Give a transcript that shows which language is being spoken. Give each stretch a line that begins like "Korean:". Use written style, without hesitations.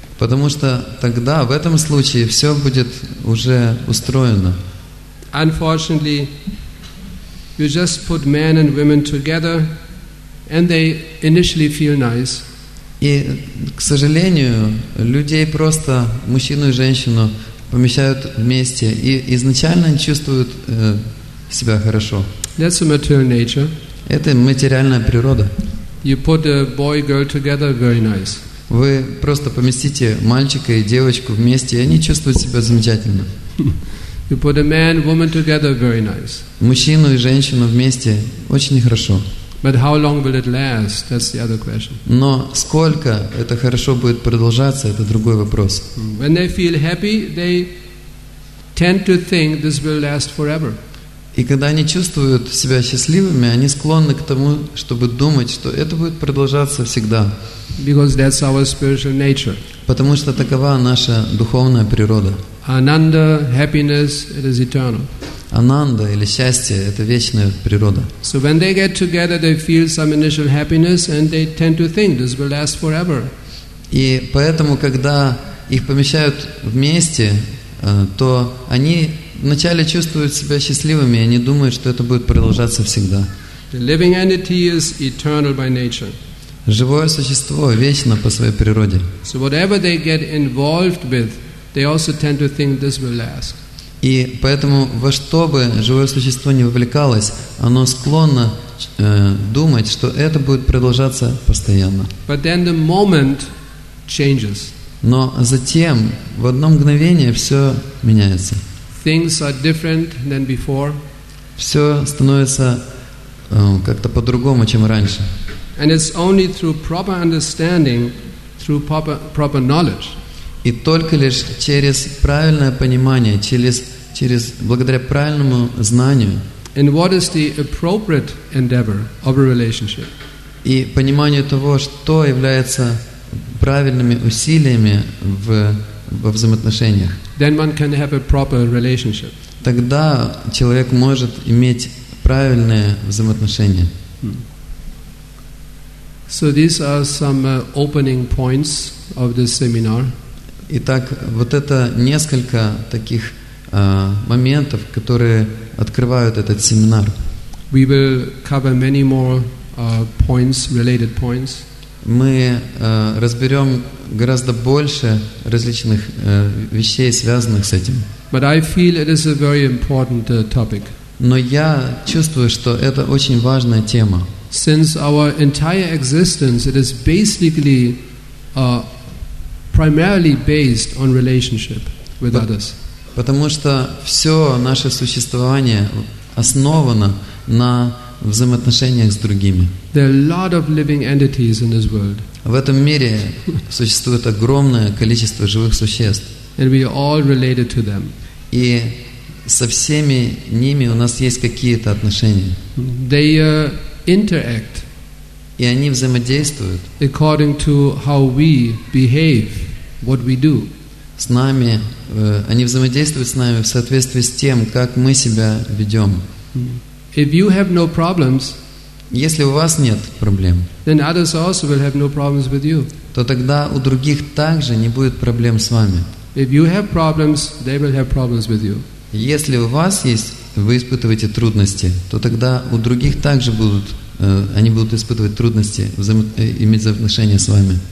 Russian: Потому что тогда, в этом случае, все будет уже устроено.
English: Unfortunately, you just put men and women together, and they initially feel nice.
Russian: И, к сожалению, людей просто, мужчину и женщину, помещают вместе, и изначально чувствуют себя хорошо.
English: That's a material nature.
Russian: Это материальная природа.
English: You put a boy, girl together, very nice.
Russian: Вы просто поместите мальчика и девочку вместе, и они чувствуют себя замечательно.
English: You put a man, woman together, very nice.
Russian: Мужчину и женщину вместе очень хорошо.
English: But how long will it last? That's the other question.
Russian: Но сколько это хорошо будет продолжаться, это другой вопрос.
English: When they feel happy, they tend to think this will last forever.
Russian: И когда они чувствуют себя счастливыми, они склонны к тому, чтобы думать, что это будет продолжаться всегда.
English: Because that's our spiritual nature.
Russian: Потому что такова наша духовная природа.
English: Ananda, happiness, it is eternal.
Russian: Ананда или счастье – это вечная природа.
English: So when they get together, they feel some initial happiness, and they tend to think this will last forever.
Russian: И поэтому, когда их помещают вместе, то они вначале чувствуют себя счастливыми, и они думают, что это будет продолжаться всегда.
English: The living entity is eternal by nature.
Russian: Живое существо вечно по своей природе.
English: So whatever they get involved with, they also tend to think this will last.
Russian: И поэтому во что бы живое существо не вовлекалось, оно склонно думать, что это будет продолжаться постоянно.
English: But then the moment changes.
Russian: Но затем в одно мгновение все меняется.
English: Things are different than before.
Russian: Все становится как-то по-другому, чем раньше.
English: And it's only through proper understanding, through proper knowledge.
Russian: И только лишь через правильное понимание, через благодаря правильному знанию.
English: And what is the appropriate endeavor of a relationship?
Russian: И пониманию того, что является правильными усилиями во взаимоотношениях.
English: Then one can have a proper relationship.
Russian: Тогда человек может иметь правильные взаимоотношения.
English: So these are some opening points of this seminar.
Russian: Итак, вот это несколько таких моментов, которые открывают этот семинар.
English: We will cover many more points, related points.
Russian: Мы разберем гораздо больше различных вещей, связанных с этим.
English: But I feel it is a very important topic.
Russian: Но я чувствую, что это очень важная тема.
English: Since our entire existence, it is basically primarily based on relationship with others.
Russian: Потому что все наше существование основано на взаимоотношениях с другими.
English: There are a lot of living entities in this world.
Russian: В этом мире существует огромное количество живых существ.
English: And we are all related to them.
Russian: И со всеми ними у нас есть какие-то отношения.
English: They interact.
Russian: И они взаимодействуют.
English: According to how we behave, what we do.
Russian: С нами, они взаимодействуют с нами в соответствии с тем, как мы себя ведем.
English: If you have no problems,
Russian: если у вас нет проблем,
English: then others also will have no problems with you.
Russian: То тогда у других также не будет проблем с вами.
English: If you have problems, they will have problems with you.
Russian: Если у вас есть, вы испытываете трудности, то тогда у других также будут, они будут испытывать трудности иметь взаимоотношения с вами.